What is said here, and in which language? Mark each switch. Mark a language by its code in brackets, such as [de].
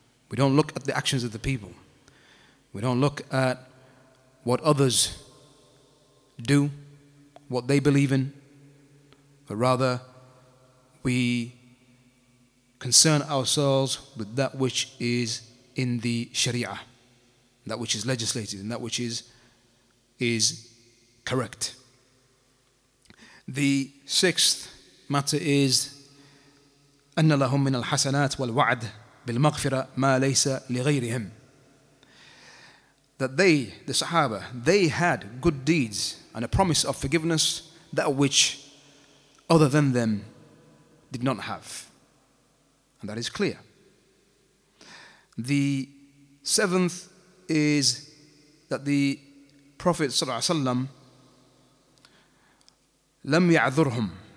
[en] We don't look at the actions of the people. We don't look at what others do, what they believe in, but rather we concern ourselves with that which is in the Sharia, that which is legislated, and that which is correct. [ar] The sixth matter is أن لهم من الحسنات والوعد بالمغفرة ما ليس لغيرهم. [en] That they, the Sahaba, they had good deeds and a promise of forgiveness, that which other than them did not have. And that is clear. The seventh is that the Prophet صلى الله عليه وسلم [ar] لم يعذرهم.